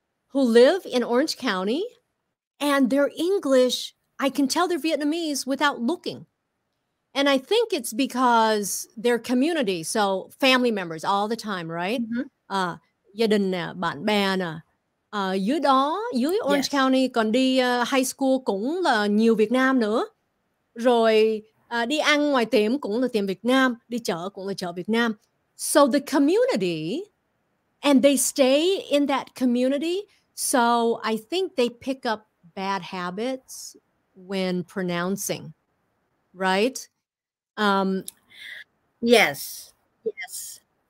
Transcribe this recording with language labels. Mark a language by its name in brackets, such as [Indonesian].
[English] who live in Orange County, and their English, I can tell they're Vietnamese without looking. And I think it's because their community, so family members all the time, right? [Vietnamese] Gia đình nè, bạn bè nè. Dưới đó, dưới Orange yes. County còn đi high school cũng là nhiều Việt Nam nữa. Rồi đi ăn ngoài tiệm cũng là tiệm Việt Nam, đi chợ cũng là chợ Việt Nam. [English] So the community, and they stay in that community. So I think they pick up bad habits when pronouncing, right? Yes, yes.